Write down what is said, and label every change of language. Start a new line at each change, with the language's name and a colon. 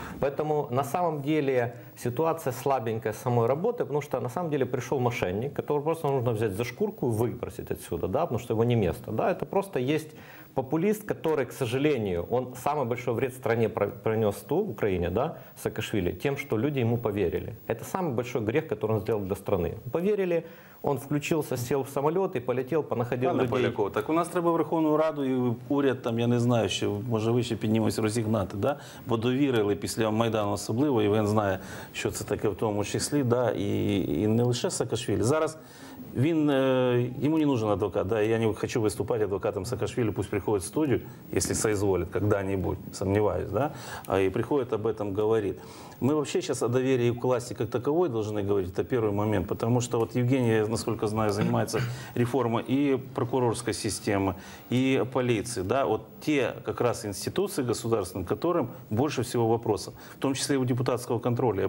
Russian: Поэтому на самом деле ситуация слабенькая самой работы, потому что на самом деле пришел мошенник, которого просто нужно взять за шкурку и выбросить отсюда, да, потому что его не место. Да, это просто есть популист, который, к сожалению, он самый большой вред стране принес ту, Украине, да, Саакашвили, тем, что люди ему поверили. Это самый большой грех, который он сделал для страны. Поверили, он включился, сел в самолет и полетел, понаходил
Ukrainian: Пане
Russian: людей.
Ukrainian: Поляков, так у нас треба Верховну Раду и уряд, там, я не знаю, ще, може ви ще піднімось розігнати, да? Бо довірили після Майдану особливо, і він знає, що це таке в тому числі, да? І не лише Саакашвілі. Зараз він, йому не нужен адвокат, да? Я не хочу виступати адвокатом Саакашвілі,
Russian: пусть приходит в студию, если соизволит, когда-нибудь, сомневаюсь, да, а и приходит об этом говорит. Мы вообще сейчас о доверии к власти как таковой должны говорить, это первый момент, потому что вот Евгений, насколько знаю, занимается реформой и прокурорской системы, и полиции, да, вот те как раз институции государственные, которым больше всего вопросов, в том числе и у депутатского контроля.